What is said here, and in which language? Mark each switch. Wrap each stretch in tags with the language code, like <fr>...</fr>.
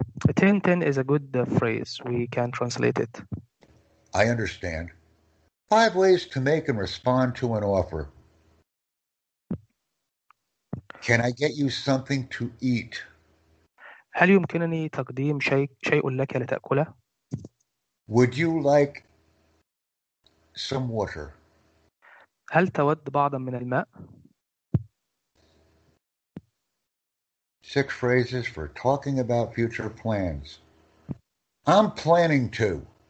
<en>10-10 is a good phrase. We can translate it. I understand. Five ways to make and respond to an offer. Can I get you something to eat?</en> <ar>هل يمكنني تقديم شيء لك لتأكله؟</ar> <en>Would you like some water?</en> <ar>هل تود بعضا من الماء؟</ar> <en>Six phrases for talking about future plans. I'm planning to.</en>